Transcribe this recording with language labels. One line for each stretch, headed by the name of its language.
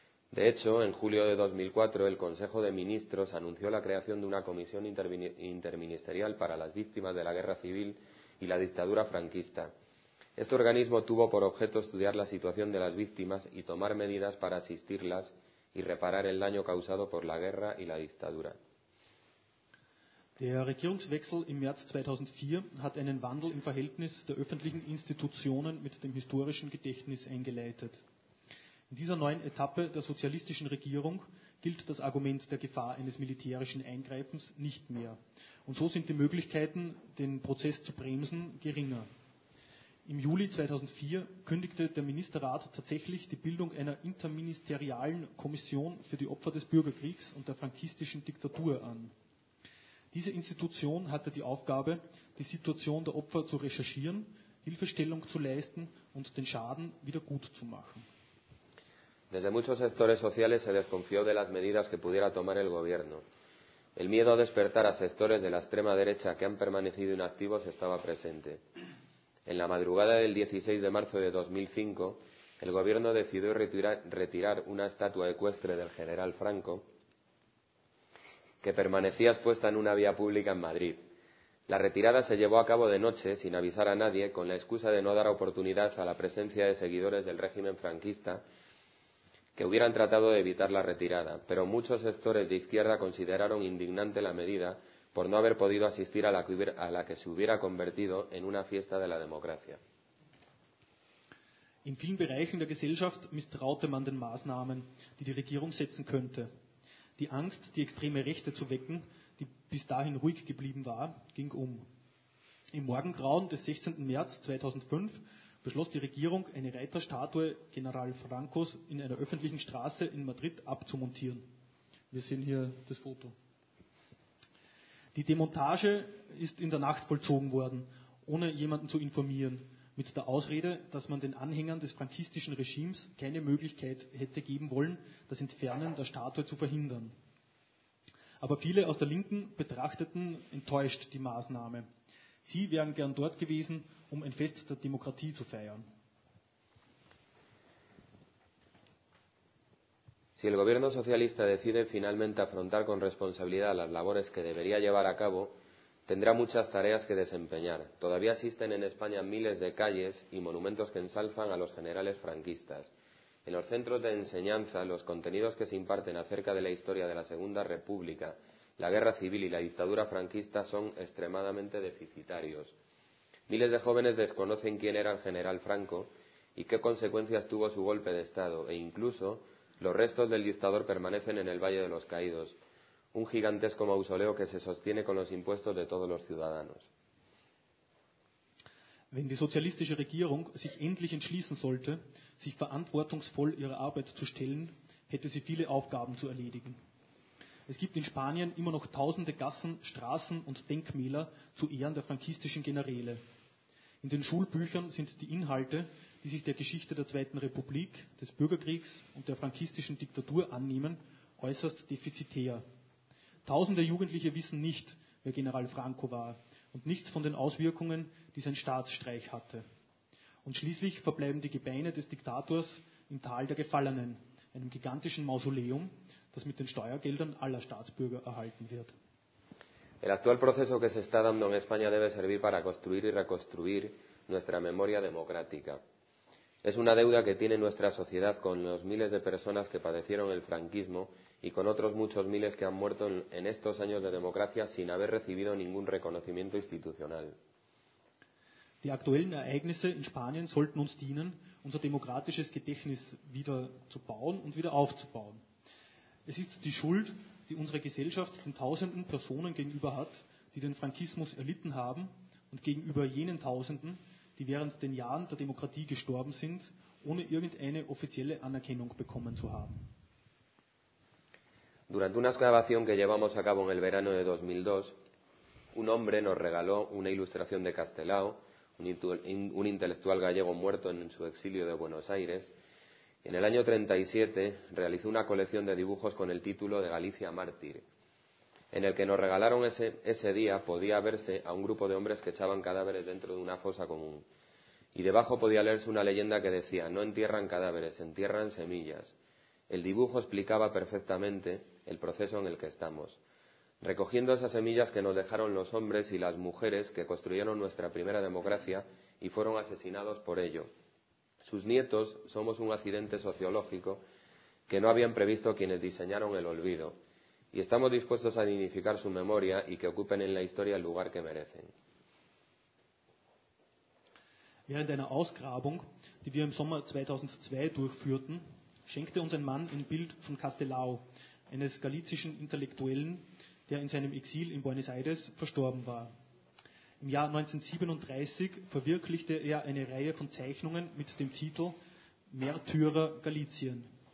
Spanish: De hecho, en julio de 2004, el Consejo de Ministros anunció la creación de una comisión interministerial para las víctimas de la guerra civil y la dictadura franquista. Este organismo tuvo por objeto estudiar la situación de las víctimas y tomar medidas para asistirlas y reparar el daño causado por la guerra y la dictadura.
German: Der Regierungswechsel im März 2004 hat einen Wandel im Verhältnis der öffentlichen Institutionen mit dem historischen Gedächtnis eingeleitet. In dieser neuen Etappe der sozialistischen Regierung gilt das Argument der Gefahr eines militärischen Eingreifens nicht mehr. Und so sind die Möglichkeiten, den Prozess zu bremsen, geringer. Im Juli 2004 kündigte der Ministerrat tatsächlich die Bildung einer interministerialen Kommission für die Opfer des Bürgerkriegs und der frankistischen Diktatur an. Diese Institution hatte die Aufgabe, die Situation der Opfer zu recherchieren, Hilfestellung zu leisten und den Schaden wieder gut zu machen.
Spanish: Desde muchos sectores sociales se desconfió de las medidas que pudiera tomar el gobierno. El miedo a despertar a sectores de la extrema derecha que han permanecido inactivos estaba presente. En la madrugada del 16 de marzo de 2005, el gobierno decidió retirar una estatua ecuestre del general Franco que permanecía expuesta en una vía pública en Madrid. La retirada se llevó a cabo de noche, sin avisar a nadie, con la excusa de no dar oportunidad a la presencia de seguidores del régimen franquista que hubieran tratado de evitar la retirada, pero muchos sectores de izquierda consideraron indignante la medida por no haber podido asistir a la que se hubiera convertido en una fiesta de la democracia.
German: In vielen Bereichen der Gesellschaft misstraute man den Maßnahmen, die die Regierung setzen könnte. Die Angst, die extreme Rechte zu wecken, die bis dahin ruhig geblieben war, ging um. Im Morgengrauen des 16. März 2005 beschloss die Regierung, eine Reiterstatue General Francos in einer öffentlichen Straße in Madrid abzumontieren. Wir sehen hier das Foto. Die Demontage ist in der Nacht vollzogen worden, ohne jemanden zu informieren, mit der Ausrede, dass man den Anhängern des frankistischen Regimes keine Möglichkeit hätte geben wollen, das Entfernen der Statue zu verhindern. Aber viele aus der Linken betrachteten enttäuscht die Maßnahme. Sie wären gern dort gewesen, um ein Fest der Demokratie zu feiern.
Spanish: Si el gobierno socialista decide finalmente afrontar con responsabilidad las labores que debería llevar a cabo, tendrá muchas tareas que desempeñar. Todavía existen en España miles de calles y monumentos que ensalzan a los generales franquistas. En los centros de enseñanza, los contenidos que se imparten acerca de la historia de la Segunda República, la Guerra Civil y la dictadura franquista son extremadamente deficitarios. Miles de jóvenes desconocen quién era el general Franco y qué consecuencias tuvo su golpe de Estado, e incluso los restos del dictador permanecen en el Valle de los Caídos, un gigantesco mausoleo que se sostiene con los impuestos de todos los ciudadanos.
German: Wenn die sozialistische Regierung sich endlich entschließen sollte, sich verantwortungsvoll ihrer Arbeit zu stellen, hätte sie viele Aufgaben zu erledigen. Es gibt in Spanien immer noch tausende Gassen, Straßen und Denkmäler zu Ehren der frankistischen Generäle. In den Schulbüchern sind die Inhalte, die sich der Geschichte der Zweiten Republik, des Bürgerkriegs und der frankistischen Diktatur annehmen, äußerst defizitär. Tausende Jugendliche wissen nicht, wer General Franco war und nichts von den Auswirkungen, die sein Staatsstreich hatte. Und schließlich verbleiben die Gebeine des Diktators im Tal der Gefallenen, einem gigantischen Mausoleum, das mit den Steuergeldern aller Staatsbürger erhalten wird.
Spanish: El actual proceso que se está dando en España debe servir para construir y reconstruir nuestra memoria democrática. Es una deuda que tiene nuestra sociedad con los miles de personas que padecieron el franquismo y con otros muchos miles que han muerto en estos años de democracia sin haber recibido ningún reconocimiento institucional.
German: Die aktuellen Ereignisse in Spanien sollten uns dienen, unser demokratisches Gedächtnis wieder zu bauen und wieder aufzubauen. Es ist die Schuld, die unsere Gesellschaft den tausenden Personen gegenüber hat, die den Frankismus erlitten haben, und gegenüber jenen Tausenden, die während den Jahren der Demokratie gestorben sind, ohne irgendeine offizielle Anerkennung bekommen zu haben.
Spanish: Durante una excavación que llevamos a cabo en el verano de 2002, un hombre nos regaló una ilustración de Castelao, un intelectual gallego muerto en su exilio de Buenos Aires. En el año 37 realizó una colección de dibujos con el título de Galicia Mártir, en el que nos regalaron ese día podía verse a un grupo de hombres que echaban cadáveres dentro de una fosa común, y debajo podía leerse una leyenda que decía: no entierran cadáveres, entierran semillas. El dibujo explicaba perfectamente el proceso en el que estamos, recogiendo esas semillas que nos dejaron los hombres y las mujeres que construyeron nuestra primera democracia y fueron asesinados por ello. Sus nietos somos un accidente sociológico que no habían previsto quienes diseñaron el olvido, y estamos dispuestos a dignificar su memoria y que ocupen en la historia el lugar que merecen.
German: Während einer Ausgrabung, die wir im Sommer 2002 durchführten, schenkte uns ein Mann ein Bild von Castelao, eines galizischen Intellektuellen, der in seinem Exil in Buenos Aires verstorben war. Im Jahr 1937 verwirklichte er eine Reihe von Zeichnungen mit dem Titel Märtyrer Galizien.